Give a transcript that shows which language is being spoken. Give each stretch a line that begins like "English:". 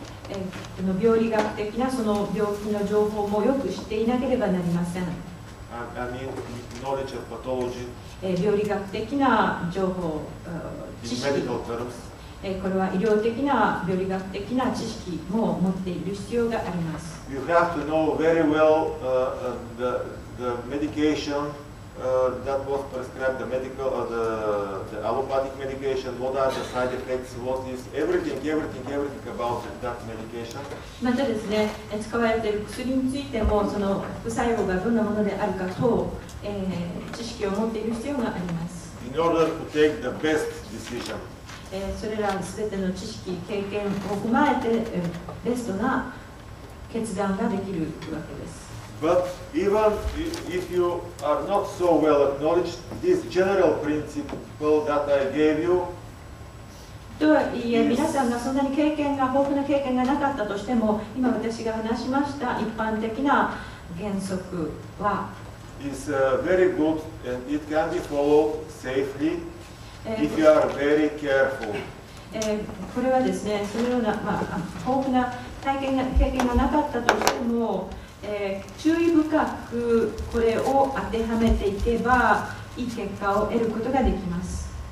Japanese: この病理学的なその病気の情報もよく知っていなければなりません。
English: I mean knowledge of pathology.
Japanese: 病理学的な情報、知識。
English: In medical terms.
Japanese: これは医療的な病理学的な知識も持っている必要があります。
English: You have to know very well the medication. That was prescribed the medical, the allopathic medication. What are the side effects? What is everything about that medication?
Japanese: またですね、使われている薬についてもその副作用がどんなものであるかと、知識を持っている必要があります。
English: In order to take the best decision.
Japanese: それらすべての知識経験を踏まえて、ベストな決断ができるわけです。
English: But even if you are not so well acknowledged, this general principle that I gave you.
Japanese: とはいえ、皆さんがそんなに経験が豊富な経験がなかったとしても、今私が話しました一般的な原則は。
English: Is very good and it can be followed safely if you are very careful.
Japanese: これはですね、そのような、まあ、豊富な体験が経験がなかったとしても。注意深くこれを当てはめていけばいい結果を得ることができます。